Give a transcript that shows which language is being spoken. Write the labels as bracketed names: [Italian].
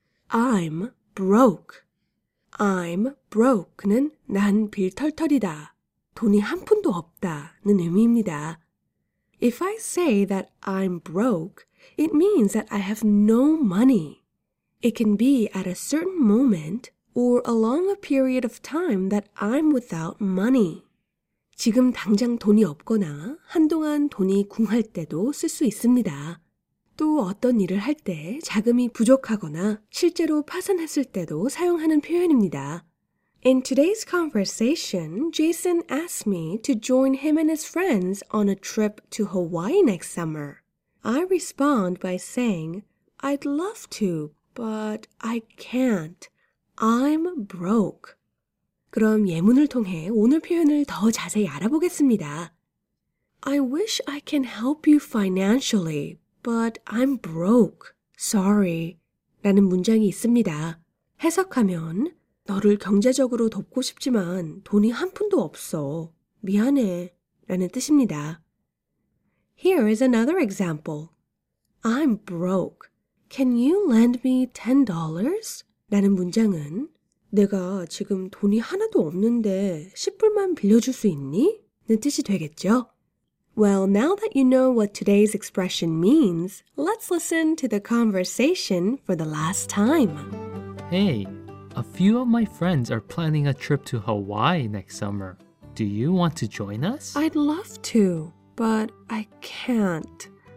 [English] I'm broke. I'm broke [Korean] 는 난 빌털터리다, 돈이 한 푼도 없다는 의미입니다. [English] If I say that I'm broke, it means that I have no money. It can be at a certain moment or along a period of time that I'm without money. [Korean] 지금 당장 돈이 없거나 한동안 돈이 궁할 때도 쓸 수 있습니다. 또 어떤 일을 할 때 자금이 부족하거나 실제로 파산했을 때도 사용하는 표현입니다. [English] In today's conversation, Jason asked me to join him and his friends on a trip to Hawaii next summer. I respond by saying, I'd love to, but I can't. I'm broke. [Korean] 그럼 예문을 통해 오늘 표현을 더 자세히 알아보겠습니다. [English] I wish I can help you financially. But I'm broke. Sorry. [Korean] 라는 문장이 있습니다. 해석하면 너를 경제적으로 돕고 싶지만 돈이 한 푼도 없어. 미안해. 라는 뜻입니다. [English] Here is another example. I'm broke. Can you lend me $10? [Korean] 라는 문장은 내가 지금 돈이 하나도 없는데 10불만 빌려줄 수 있니? 는 뜻이 되겠죠? [English] Well, now that you know what today's expression means, let's listen to the conversation for the last time. Hey, a few of my friends are planning a trip to Hawaii next summer. Do you want to join us? I'd love to, but I can't.